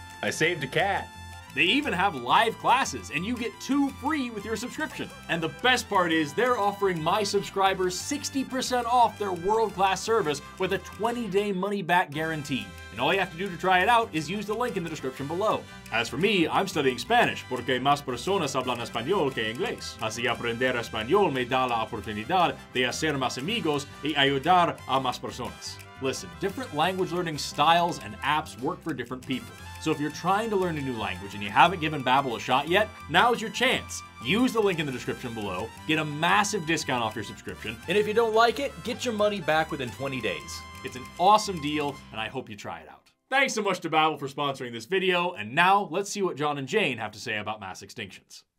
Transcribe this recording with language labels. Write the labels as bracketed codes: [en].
[en] I saved a cat. They even have live classes, and you get 2 free with your subscription. And the best part is they're offering my subscribers 60% off their world-class service with a 20-day money-back guarantee. And all you have to do to try it out is use the link in the description below. As for me, I'm studying Spanish, [es] porque más personas hablan español que inglés. Así aprender español me da la oportunidad de hacer más amigos y ayudar a más personas. [en] Listen, different language learning styles and apps work for different people. So if you're trying to learn a new language and you haven't given Babbel a shot yet, now's your chance. Use the link in the description below, get a massive discount off your subscription, and if you don't like it, get your money back within 20 days. It's an awesome deal, and I hope you try it out. Thanks so much to Babbel for sponsoring this video, and now let's see what John and Jane have to say about mass extinctions.